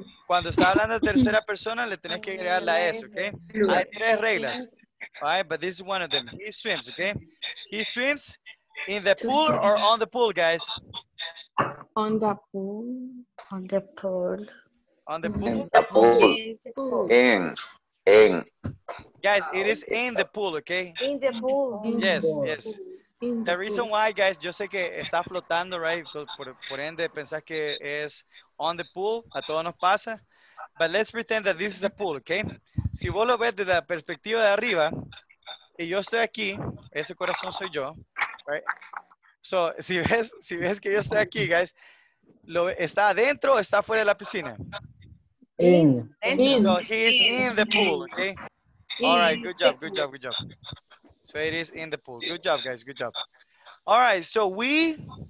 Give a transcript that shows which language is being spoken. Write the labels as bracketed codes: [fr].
[es] Cuando está hablando de tercera persona, le tenés que agregar la S, okay? Hay tres reglas, [en] all right? But this is one of them. He swims, okay? He swims in the pool or on the pool, guys? On the pool. On the pool. On the pool? In the pool. In. In. Guys, it is in the pool, okay? In the pool. Yes, yes. The reason why, guys, [es] yo sé que está flotando, [en] right? [es] Por ende, pensás que es [en] on the pool, [es] a todos nos pasa. [en] But let's pretend that this is a pool, okay? [es] Si vos lo ves desde la perspectiva de arriba, y yo estoy aquí, ese corazón soy yo, right? So, si ves que yo estoy aquí, guys, ¿está adentro o está fuera de la piscina? [en] In. So, he's in the pool, okay? All right, good job, good job, good job. So it is in the pool. Good job, guys. Good job. All right. So we